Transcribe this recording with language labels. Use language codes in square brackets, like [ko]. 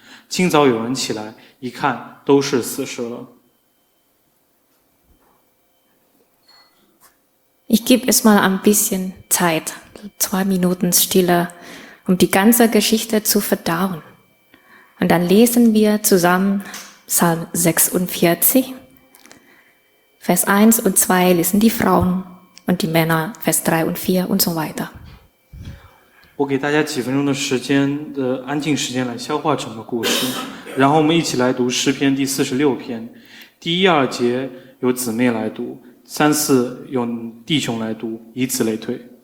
[zh] Yamos的儿子以赛亚打发人去见西西家，说：“耶和华以色列的神如此说：你既然求我，我已听见。当夜十五节之后，当夜耶和华的使者出去，在亚述营中杀了18万5000人。” 一看都是死尸了。 [de] Ich gebe es mal ein bisschen Zeit, 2 Minuten Stille, um die ganze Geschichte zu verdauen. Und dann lesen wir zusammen Psalm 46, Vers 1 und 2 lesen die Frauen und die Männer Vers 3 und 4 und so weiter. [zh] 我给大家几分钟的时间的安静时间来消化整个故事，然后我们一起来读诗篇第46篇，第一二节由姊妹来读，三四由弟兄来读，以此类推。